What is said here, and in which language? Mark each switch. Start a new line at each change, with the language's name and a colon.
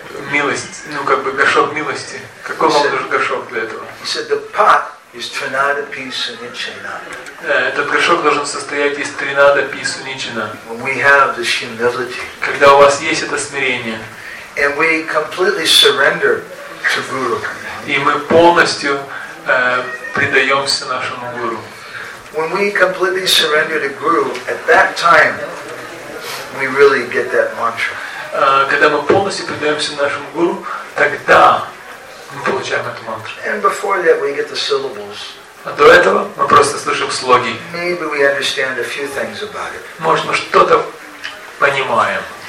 Russian: Милость, горшок милости. Какой вам нужен горшок для этого?
English: He said, the pot is Trinada Pisa Nichina.
Russian: Этот горшок должен состоять из Trinada Pisa Nichina.
English: We have this humility.
Russian: Когда у вас есть это смирение.
English: And we completely surrender to Guru.
Russian: И мы полностью предаемся нашему Гуру.
English: When we completely surrender to Guru, at that time, we really get that mantra.
Russian: Когда мы полностью предаемся нашему Гуру, тогда мы получаем эту мантру.
English: And before that, we get the syllables.
Russian: А до этого мы просто слышим слоги.
English: Maybe we understand a few things about it.
Russian: Может, мы что-то понимаем.